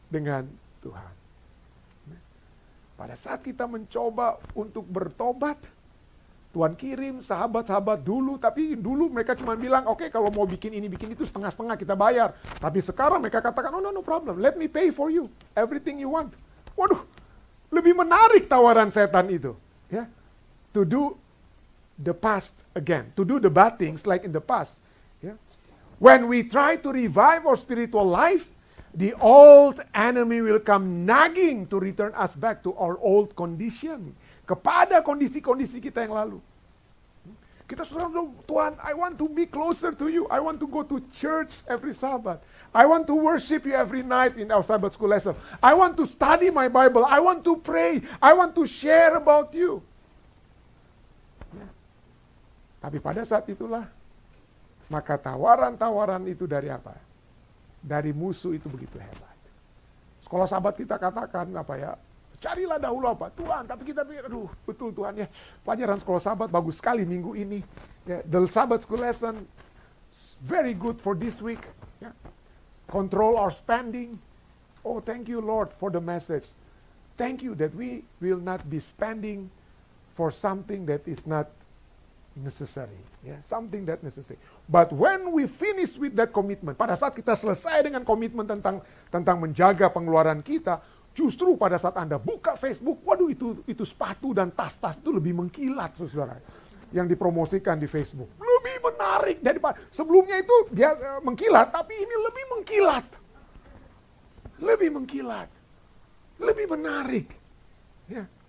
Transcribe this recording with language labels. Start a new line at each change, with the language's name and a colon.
Indonesian: dengan Tuhan. Pada saat kita mencoba untuk bertobat, Tuhan kirim sahabat-sahabat dulu, tapi dulu mereka cuma bilang, oke, okay, kalau mau bikin ini, bikin itu, setengah-setengah kita bayar. Tapi sekarang mereka katakan,
English: oh no, no problem, let me pay for you, everything you want.
Indonesian: Waduh, lebih menarik tawaran setan itu. Yeah.
English: To do the past again, to do the bad things like in the past. Yeah. When we try to revive our spiritual life, the old enemy will come nagging to return us back to our old condition.
Indonesian: Kepada kondisi-kondisi kita yang lalu. Kita sudah, Tuhan,
English: I want to be closer to you. I want to go to church every Sabbath. I want to worship you every night in our Sabbath school lesson. I want to study my Bible. I want to pray. I want to share about you.
Indonesian: Tapi pada saat itulah, maka tawaran-tawaran itu dari apa? Dari musuh itu begitu hebat. Sekolah sahabat kita katakan, apa ya, carilah dahulu apa? Tuhan. Tapi kita pikir, aduh, betul Tuhan ya. Pelajaran sekolah sahabat bagus sekali minggu ini.
English: Ya, the Sabbath school lesson, very good for this week. Ya. Control our spending. Oh, thank you Lord for the message. Thank you that we will not be spending for something that is not necessary, yeah, something that necessary. But when we finish with that commitment,
Indonesian: pada saat kita selesai dengan komitmen tentang menjaga pengeluaran kita, justru pada saat Anda buka Facebook, waduh, itu sepatu dan tas-tas itu lebih mengkilat, saudara, yang dipromosikan di Facebook. Lebih menarik daripada sebelumnya itu dia mengkilat, tapi ini lebih mengkilat. Lebih mengkilat. Lebih menarik. Ya. Yeah.